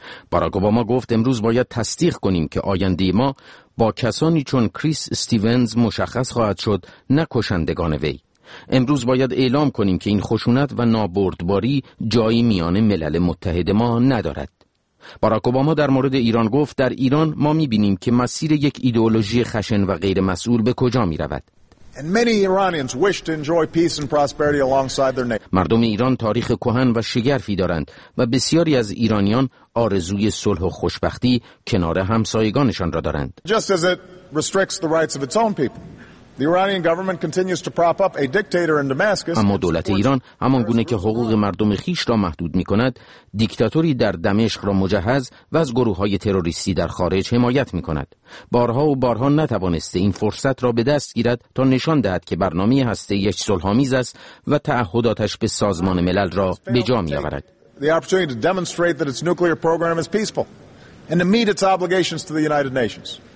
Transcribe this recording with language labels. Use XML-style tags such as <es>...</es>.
<fa>باراک اوباما گفت امروز باید تصدیق کنیم که آینده ما با کسانی چون کریس استیونز مشخص خواهد شد، نکشندگان وی. امروز باید اعلام کنیم که این خشونت و نابردباری جایی میان ملل متحد ما ندارد. باراک اوباما در مورد ایران گفت در ایران ما میبینیم که مسیر یک ایدئولوژی خشن و غیر مسئول به کجا میرود.</fa> <en>And many Iranians wish to enjoy peace and prosperity alongside their neighbors.</en> <fa>مردم ایران تاریخ کهن و شگرفی دارند و بسیاری از ایرانیان آرزوی صلح و خوشبختی کنار همسایگانشان را دارند.</fa> <en>Just as it restricts the rights of its own people, the Iranian government continues to prop up a dictator in Damascus.</en> <fa>اما دولت ایران همان گونه که حقوق مردم خیش را محدود می‌کند، دیکتاتوری در دمشق را مجهز و از گروه‌های تروریستی در خارج حمایت می‌کند. بارها و بارها نتوانسته این فرصت را به دست گیرد تا نشان دهد که برنامه هسته‌ای صلح‌آمیز است و تعهداتش به سازمان ملل را به جا می‌آورد.</fa> <en>The opportunity to demonstrate that its nuclear program is peaceful and to meet its obligations to the United Nations.</en>